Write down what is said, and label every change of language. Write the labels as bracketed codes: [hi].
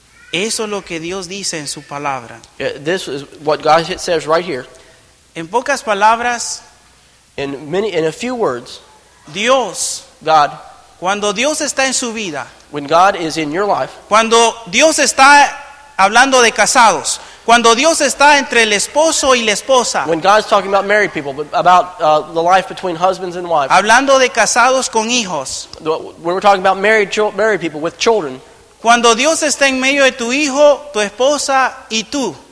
[es] Eso es lo que Dios dice en su palabra. [en] Yeah, this is what God says right here. [es] En pocas palabras. [en] In a few words. [es] Dios. [en] God. [es] Cuando Dios está en su vida. [en] When God is in your life. [es] Cuando Dios está hablando de casados. Cuando Dios está entre el esposo y la esposa. [en] When God's talking about married people, about the life between husbands and wives. [es] Hablando de casados con hijos. [en] When we're talking about married people with children. [es] Cuando Dios está en medio de tu hijo, tu esposa y tú.